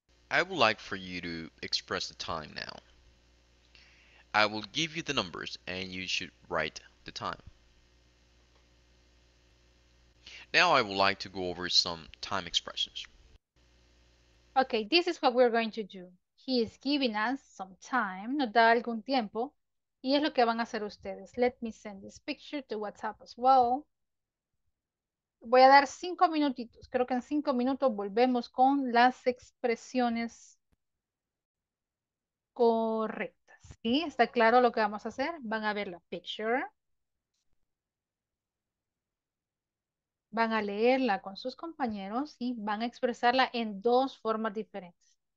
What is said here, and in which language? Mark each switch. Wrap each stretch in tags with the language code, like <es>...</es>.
<en>I would like for you to express the time now. I will give you the numbers and you should write the time. Now I would like to go over some time expressions. Okay, this is what we're going to do. He is giving us some time,</en> <es>nos da algún tiempo, y es lo que van a hacer ustedes.</es> <en>Let me send this picture to WhatsApp as well.</en> <es>Voy a dar 5 minutitos. Creo que en 5 minutos volvemos con las expresiones correctas. Sí, está claro lo que vamos a hacer. Van a ver la picture. Van a leerla con sus compañeros y van a expresarla en dos formas diferentes.</es>